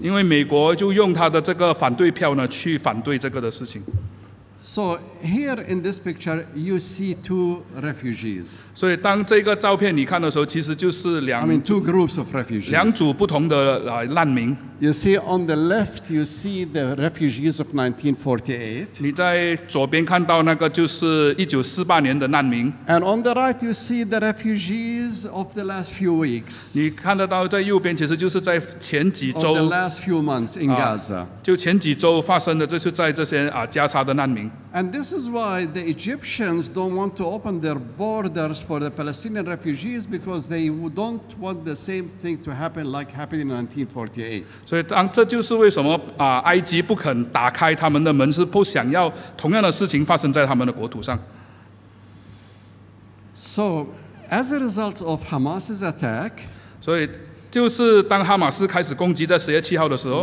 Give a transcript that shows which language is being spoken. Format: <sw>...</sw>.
<zh>因为美国就用他的这个反对票呢，去反对这个的事情。So</zh> <en>here in this picture, you see two refugees.</en> <zh>所以当这个照片你看的时候，其实就是两</zh> <en>I mean two groups of refugees.</en> <zh>两组不同的难民。</zh> <en>You see on the left, you see the refugees of 1948.</en> <zh>你在左边看到那个就是1948年的难民。</zh> <en>And on the right, you see the refugees of the last few weeks.</en> <zh>你看得到在右边，其实就是在前几周</zh> <en>of the last few months in Gaza.</en> <zh>就前几周发生的，就是在这些加沙的难民。</zh> <en>And this is why the Egyptians don't want to open their borders for the Palestinian refugees because they don't want the same thing to happen like happened in 1948.</en> <zh>所以这就是为什么埃及不肯打开他们的门，是不想要同样的事情发生在他们的国土上。</zh> <en>So as a result of Hamas's attack,</en> <zh>就是当哈马斯开始攻击，在10月7号的时候</zh>